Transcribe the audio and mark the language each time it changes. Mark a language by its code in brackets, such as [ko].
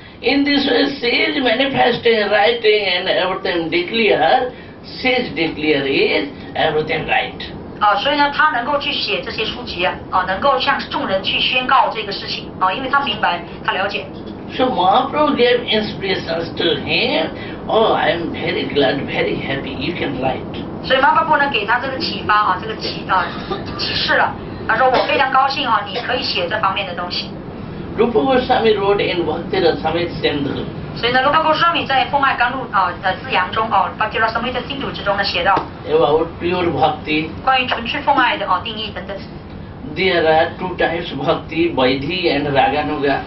[en] In this way, she is manifesting, writing, and everything declare. She is declaring everything right. [zh] 所以呢他能够去写这些书籍能够向众人去宣告这个事情因为他明白他了解 [en] So Mahaprabhu gave inspirations to him I'm very glad, very happy, you can write [zh] 所以 Mahaprabhu 呢给他这个启发这个启示了他说我非常高兴你可以写这方面的东西 [en] Rupa Goswami wrote in Bhakti Rasamrita Sindhu [zh] 所以呢 Rupa Goswami 在风爱甘露的字阳中Bhakti Rasamrita Sindhu 之中呢写到 [en] About pure bhakti. [zh] 关于纯粹奉爱的定义等等。 [en] There are two types of bhakti, vaidhi and raganuga.